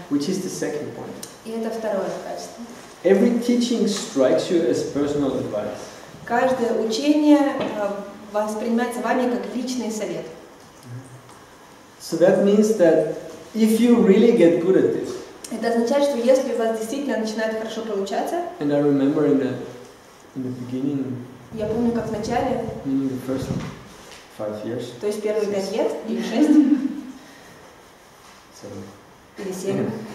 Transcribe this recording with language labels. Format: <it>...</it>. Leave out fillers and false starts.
<en>Which is the second point.</en> <ru>И это второе качество.</ru> <en>Every teaching strikes you as personal advice.</en> <ru>Каждое учение воспринимается вами как личный совет.</ru> <en>So that means that if you really get good at this.</en> <ru>Это означает, что если у вас действительно начинает хорошо получаться.</ru> <en>And I remember in the beginning.</en> <ru>Я помню, как в начале.</ru> <en>Meaning the first 5 years.</en> <ru>То есть первые 5 лет или 6.</ru> <en>7.</en> <ru>Или 7.</ru>